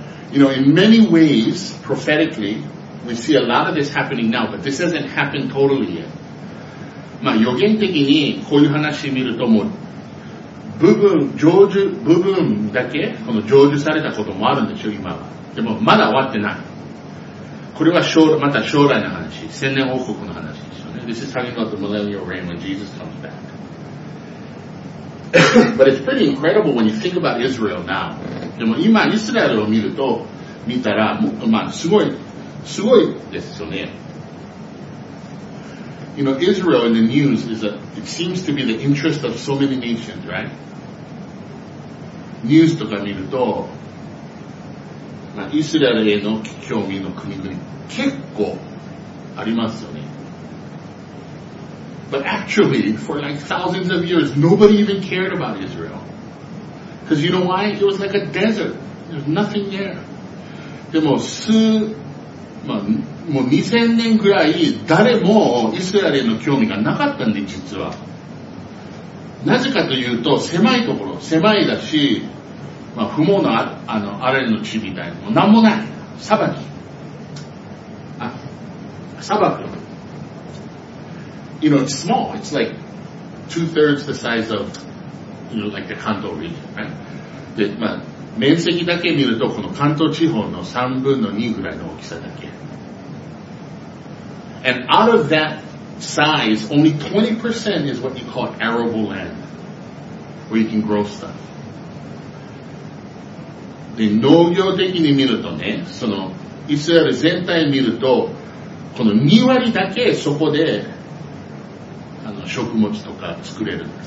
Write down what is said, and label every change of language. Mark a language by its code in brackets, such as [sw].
[en] You know, in many ways, prophetically, we see a lot of this happening now, but this hasn't happened totally yet. [ja] まあ予言的にこういう話を見るともう部分、成就、部分だけ、この成就されたこともあるんでしょ、今は。でもまだ終わってない。これは将来、また将来の話、千年王国の話ですよね。 [en] This is talking about the millennial reign when Jesus comes back. But it's pretty incredible when you think about Israel now. [ja] でも今、イスラエルを見ると、見たら、もっとまあ、すごい、すごいですよね。 [en] You know, Israel in the news is a, it seems to be the interest of so many nations, right? [ja] ニュースとか見ると、まあ、イスラエルへの興味の国々結構ありますよね。 [en] But actually, for like thousands of years, nobody even cared about Israel. Because you know why? It was like a desert. There's nothing there. [ja] でも数、まあ、もう2000年ぐらい誰もイスラエルへの興味がなかったんで、実は。なぜかというと、狭いところ、狭いだし、まあ、不毛の、あの、アレンの地みたいな。もう何もない。砂漠。あ、砂漠。 You know, it's small. [en] It's like two-thirds the size of, you know, like the 関東 region, right? [ja] で、まあ、面積だけ見ると、この関東地方の3分の2ぐらいの大きさだけ。 [en] And out of that size, only 20% is what you call arable land, where you can grow stuff. [ja] で、農業的に見るとね、その、イスラエル全体見ると、この2割だけそこで、あの、食物とか作れる。